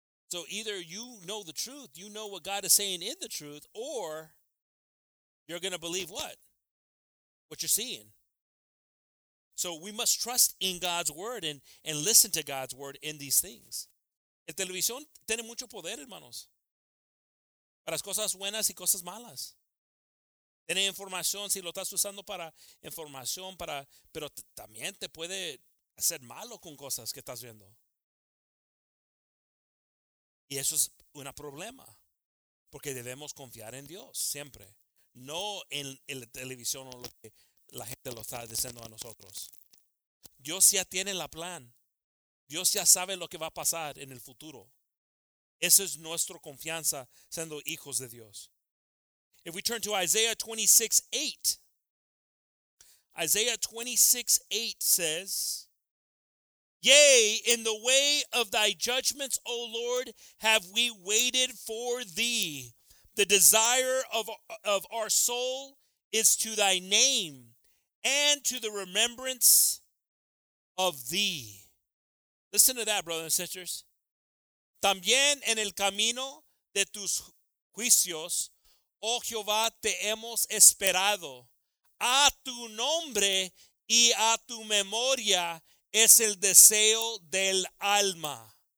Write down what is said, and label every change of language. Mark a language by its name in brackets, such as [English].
[English] So either you know the truth, you know what God is saying in the truth, or you're going to believe what? What you're seeing. So we must trust in God's word and listen to God's word in these things. [Spanish] El televisión tiene mucho poder, hermanos, para las cosas buenas y cosas malas. Tiene información, si lo estás usando para información, pero también te puede hacer malo con cosas que estás viendo. Y eso es un problema, porque debemos confiar en Dios siempre, no en la televisión o lo que la gente lo está diciendo a nosotros. Dios ya tiene la plan. Dios ya sabe lo que va a pasar en el futuro. Esa es nuestra confianza siendo hijos de Dios. [English] If we turn to Isaiah 26:8 says, "Yea, in the way of thy judgments, O Lord, have we waited for thee. The desire of our soul is to thy name and to the remembrance of thee." Listen to that, brothers and sisters. [Spanish] También en el camino de tus juicios, oh Jehová, te hemos esperado. A tu nombre y a tu memoria es el deseo del alma.